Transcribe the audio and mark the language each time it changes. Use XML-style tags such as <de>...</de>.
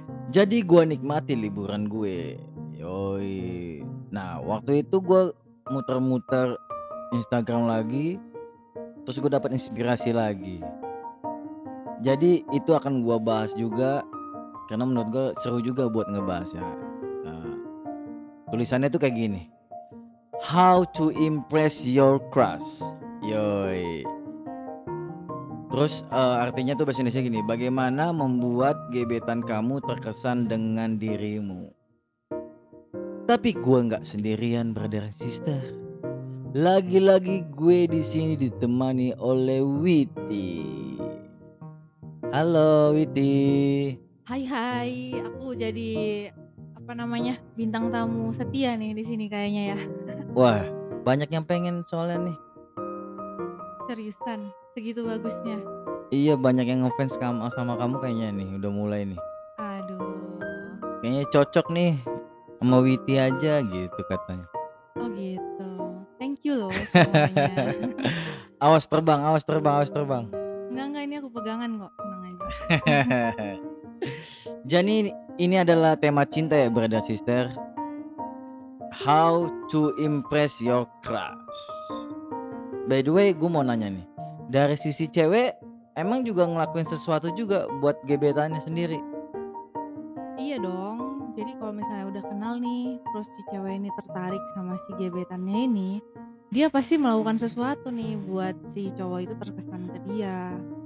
<id>Jadi gue nikmati liburan gue, yoi. Nah waktu itu gue muter-muter Instagram lagi, terus gue dapat inspirasi lagi. Jadi itu akan gue bahas juga, karena menurut gue seru juga buat ngebahasnya. Nah, tulisannya tuh kayak gini.</id> <en>How to impress your crush.</en> <id>Yoi. Terus artinya tuh bahasa Indonesia gini, bagaimana membuat gebetan kamu terkesan dengan dirimu. Tapi gue gak sendirian,</id> <en>brother and sister.</en> <id>Lagi-lagi gue di sini ditemani oleh Witi. Halo Witi. Hai hai, aku jadi apa namanya, bintang tamu setia nih di sini kayaknya ya. Wah, banyak yang pengen soalnya nih. Seriusan, segitu bagusnya. Iya, banyak yang ngefans sama kamu kayaknya nih, udah mulai nih. Aduh. Kayaknya cocok nih sama Witi aja gitu katanya. Oh gitu.</id> <en>Thank you</en> <id>loh semuanya. Awas terbang, awas terbang, awas terbang. Enggak, ini aku pegangan kok, tenang aja. Jadi ini adalah tema cinta ya,</id> <en>brother sister. How to impress your crush. By the way,</en> <id>gue mau nanya nih, dari sisi cewek, emang juga ngelakuin sesuatu juga buat gebetannya sendiri? Iya dong. Jadi kalau misalnya udah kenal nih, terus si cewek ini tertarik sama si gebetannya ini, dia pasti melakukan sesuatu nih buat si cowok itu terkesan ke dia.</id>